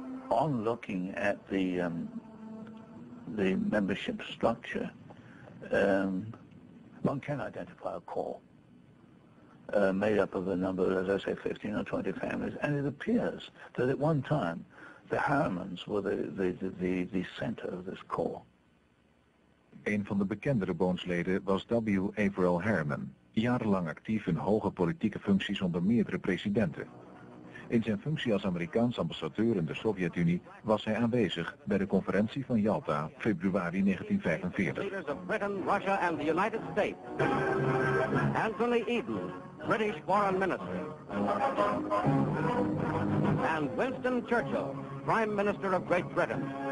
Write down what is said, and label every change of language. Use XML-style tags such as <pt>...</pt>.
<en>On looking at the membership structure, one can identify a core. Made up of a number, as I say, 15 or 20 families, and it appears that at one time the Harrimans were the center of this core.</en> <nl>Een van de bekendere Bonesleden was W. Averell Harriman, jarenlang actief in hoge politieke functies onder meerdere presidenten. In zijn functie als Amerikaans ambassadeur in de Sovjet-Unie was hij aanwezig bij de conferentie van Yalta, februari 1945.</nl> <en>Leaders of Britain, Russia and the United States. Anthony Eden, British Foreign Minister. And Winston Churchill, Prime Minister of Great Britain.</en>